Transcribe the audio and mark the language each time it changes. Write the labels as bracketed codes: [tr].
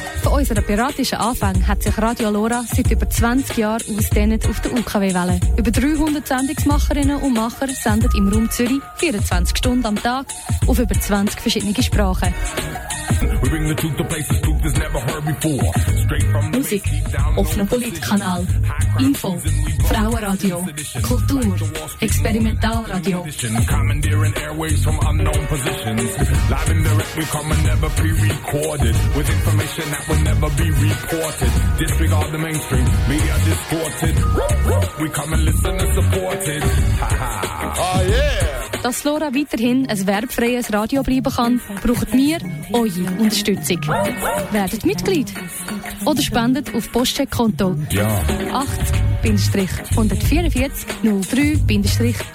[de] unserer piratischen Anfänge hat sich Radio Lora seit über 20 Jahren ausgedehnt auf der UKW-Welle. Über 300 Sendungsmacherinnen und Macher senden im Raum Zürich 24 Stunden am Tag auf über 20 verschiedene Sprachen. [en] We bring the truth to places truth has never heard before. Straight from the [de] Musik, offener Politkanal, Info, Frauenradio, Kultur, Experimentalradio. [en] Commandeering airwaves from unknown positions. Live and direct, we come and never pre-recorded. With information that will never be reported. Disregard the mainstream, media distorted. We come and listen and support it. Ha ha. Oh yeah! [de] Dass Lora weiterhin ein werbfreies Radio bleiben kann, braucht wir eure Unterstützung. Werdet Mitglied oder spendet auf Postcheckkonto 80-144-03-9.